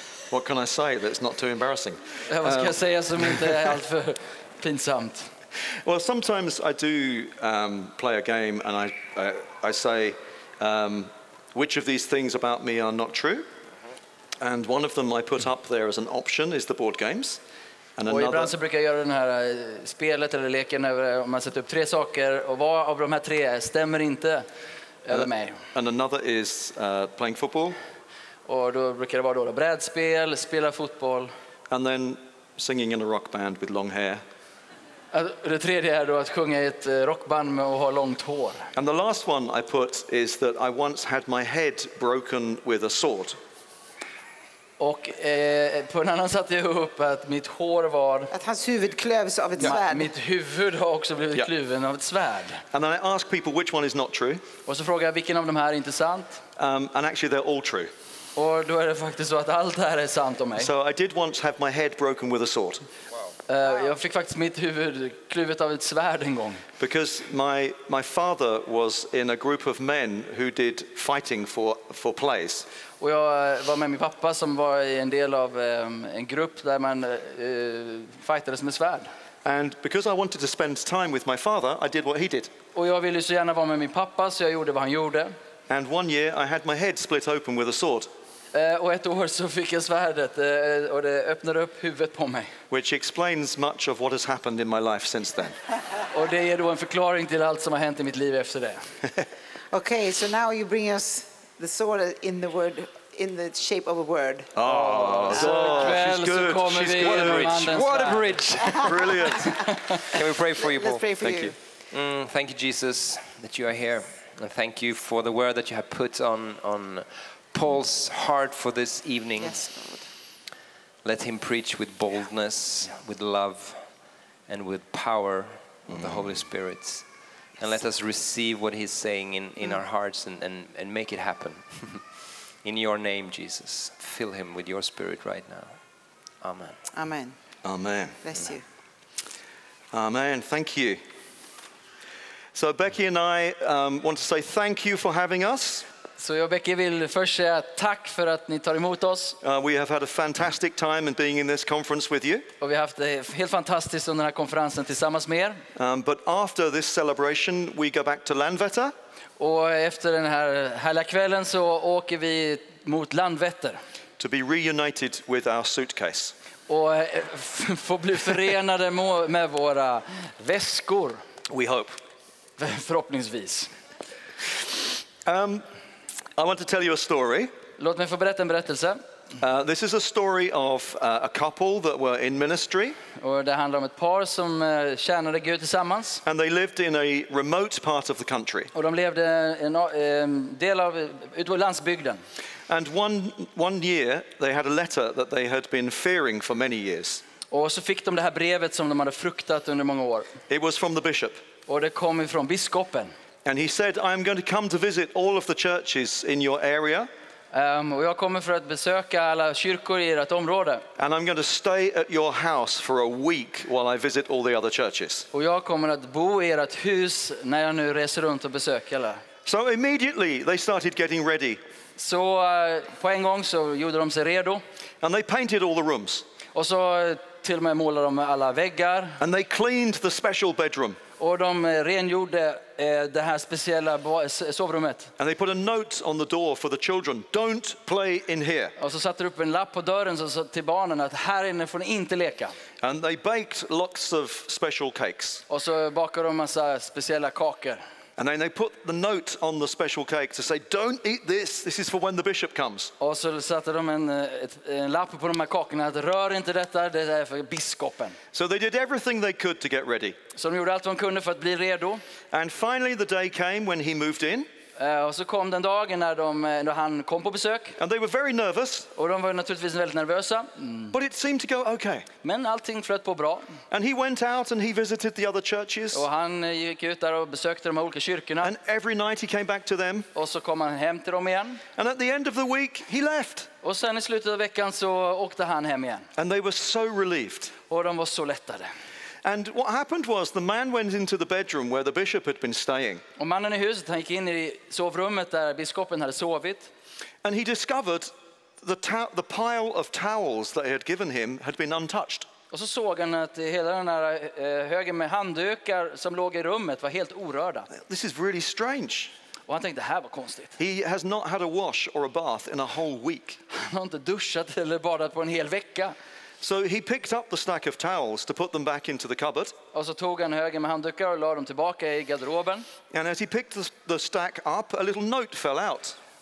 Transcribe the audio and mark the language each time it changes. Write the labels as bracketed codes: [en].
[en] What can I say that's not too embarrassing? [sv] Vad ska jag säga som inte är alltför pinsamt? [en] Well, sometimes I do play a game and I say which of these things about me are not true. And one of them I put up there as an option is the board games. And another... [sv] Och ibland så brukar jag göra den här spelet eller leken över om man sätter upp tre saker och vad av de här tre stämmer inte över mig. [en] And another is playing football. [sv] Och då brukar det vara då brädspel, spela fotboll. [en] And then singing in a rock band with long hair. [sv] Det tredje är då att sjunga i ett rockband med och ha långt hår. [en] And the last one I put is that I once had my head broken with a sword. [sv] Och på en annan satte jag upp att mitt hår var... Att hans huvud klövs av ett svärd. Mitt huvud har också blivit kluven av ett svärd. [en] And then I ask people which one is not true. [sv] Och så frågar jag vilken av de här är inte sant. [en] And actually they're all true. [sv] Och då är det faktiskt så att allt det här är sant om mig. [en] So I did once have my head broken with a sword. [sv] Jag fick faktiskt mitt huvud kluvet av ett svärd en gång. [en] Because my father was in a group of men who did fighting for place. [sv] Och jag var med min pappa som var i en del av en grupp där man fightades med svärd. [en] And because I wanted to spend time with my father, I did what he did. [sv] Och jag ville så gärna vara med min pappa så jag gjorde vad han gjorde. [en] And one year I had my head split open with a sword. [sv] Och ett år så fick jag svärdet och det öppnar upp huvudet på mig. [en] Which explains much of what has happened in my life since then. [sv] Och det är då en förklaring till allt som har hänt i mitt liv efter det. [en] Okay, so now you bring us the sword in the word, in the shape of a word. Oh, so she's good. She's good. What a bridge. Brilliant. Can we pray for you, Paul? Let's pray for you. Thank you, Jesus, that you are here. And thank you for the word that you have put on Paul's heart for this evening. Yes, Lord. Let him preach with boldness, with love, and with power of the Holy Spirit. Yes. And let us receive what he's saying in our hearts and make it happen. In your name, Jesus, fill him with your spirit right now. Amen. Amen. Amen. Bless Amen. You. Amen. Thank you. So Becky and I want to say thank you for having us. [sv] Så jag och Becky vill först säga tack för att ni tar emot oss. [en] We have had a fantastic time in being in this conference with you. [sv] Och vi har haft det helt fantastiskt under den här konferensen tillsammans med er. [en] But after this celebration we go back to Landvetter. [sv] Och efter den här härliga kvällen så åker vi mot Landvetter. [en] To be reunited with our suitcase. [sv] Och få bli förenade med våra väskor. [en] We hope. [sv] Förhoppningsvis. [en] I want to tell you a story. [sv] Låt mig få berätta en berättelse. [en] This is a story of a couple that were in ministry. [sv] Och det handlar om ett par som tjänade Gud tillsammans. [en] And they lived in a remote part of the country. [sv] Och de levde i en del av landsbygden. [en] And one year they had a letter that they had been fearing for many years. [sv] Och så fick de det här brevet som de hade fruktat under många år. [en] It was from the bishop. [sv] Och det kom ifrån biskopen. [en] And he said, I am going to come to visit all of the churches in your area. [sv] Och jag kommer för att besöka alla kyrkor i ert område. [en] And I'm going to stay at your house for a week while I visit all the other churches. [sv] Och jag kommer att bo i ert hus när jag nu reser runt och besöker alla. [en] So immediately they started getting ready. [sv] Så på en gång så gjorde de sig redo. [en] And they painted all the rooms. [sv] Och så till och med målade de alla väggar. [en] And they cleaned the special bedroom. [sv] Och de rengjorde det här speciella sovrummet. [en] And they put a note on the door for the children. Don't play in here. [sv] Och så satte de upp en lapp på dörren så till barnen att här inne får ni inte leka. [en] And they baked lots of special cakes. [sv] Och så bakade de massa speciella kakor. [en] And then they put the note on the special cake to say, don't eat this. This is for when the bishop comes. [sv] Och så satte de en lapp på de här kakorna att rör inte detta, det är för biskopen. [en] So they did everything they could to get ready. [sv] Så de gjorde allt de kunde för att bli redo. [en] And finally the day came when he moved in. [sv] Och så kom den dagen när han kom på besök. [en] And they were very nervous. [sv] Och de var naturligtvis väldigt nervösa. [en] But it seemed to go okay. [sv] Men allting flöt på bra. [en] And he went out and he visited the other churches. [sv] Och han gick ut där och besökte de olika kyrkorna. [en] And every night he came back to them. [sv] Och så kom han hem till dem igen. [en] And at the end of the week he left. [sv] Och sen I slutet av veckan så åkte han hem igen. [en] And they were so relieved. [sv] Och de var så lättade. [en] And what happened was the man went into the bedroom where the bishop had been staying. [sv] Och mannen I huset han gick in I sovrummet där biskopen hade sovit. [en] And he discovered the pile of towels that he had given him had been untouched. [sv] Och så såg han att hela den här högen med handdukar som låg I rummet var helt orörda. [en] This is really strange. [sv] Och han tänkte det här var konstigt. [en] He has not had a wash or a bath in a whole week. [sv] Han har inte duschat eller badat på en hel vecka. [en] So he picked up the stack of towels to put them back into the cupboard. [sv] Och så tog han högen med handdukar och la dem tillbaka I garderoben. [en] And as he picked the stack up, a little note fell out.